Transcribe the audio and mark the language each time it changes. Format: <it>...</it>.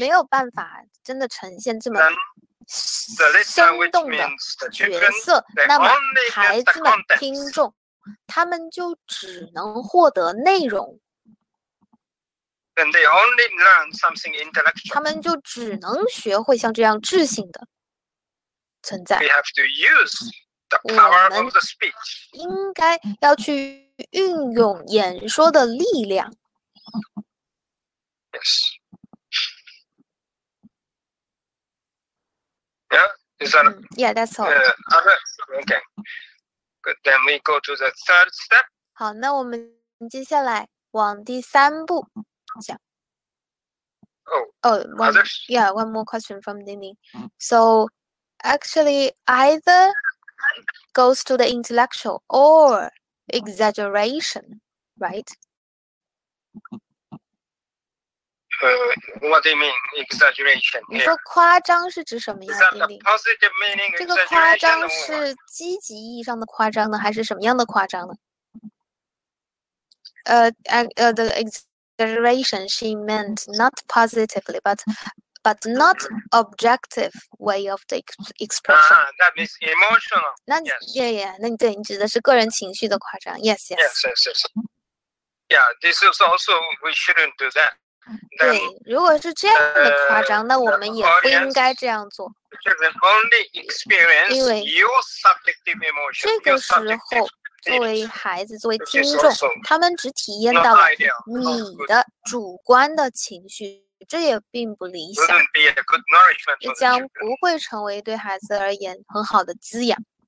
<zh>没有办法真的呈现这么生动的角色</zh> <en>children,</en> <zh>那么孩子们听众他们就只能获得内容</zh> <en>And they only learn something intellectual.</en> <zh>他们就只能学会像这样智性的存在</zh> <en>We have to use the power of the speech.</en> <zh>应该要去运用演说的力量</zh> <en>Yes. Yeah, is that...、 yeah, that's all. Okay. Then we go to the third step.</en> <zh>好，那我们接下来往第三步讲。</zh> <en>One more question from Dini. So, actually, either goes to the intellectual or exaggeration, right? What do you mean, exaggeration?、Here?</en> <zh>你说夸张是指什么呀</zh> <en>Is that the positive meaning,</en> <zh>这个夸张是积极意义上的夸张呢还是什么样的夸张呢</zh> <en>the exaggeration, she meant not positively, but but not objective way of the expression. That means emotional. That's, yes. Yeah, yeah.</en> <zh>那对，你指的是个人情绪的夸张。</zh> <en>Yes, yes. Yes, yes, yes. Yeah, this is also we shouldn't do that. Then,</en> <zh>对，如果是这样的夸张，那我们也不应该这样做。</zh> <en>Only experience,</en> <zh>因为</zh> <en>your subjective emotion,</en> <zh>这个时候。作为孩子，作为听众，他们只体验到了你的主观的情绪，这也并不理想，这将不会成为对孩子而言很好的滋养。</zh>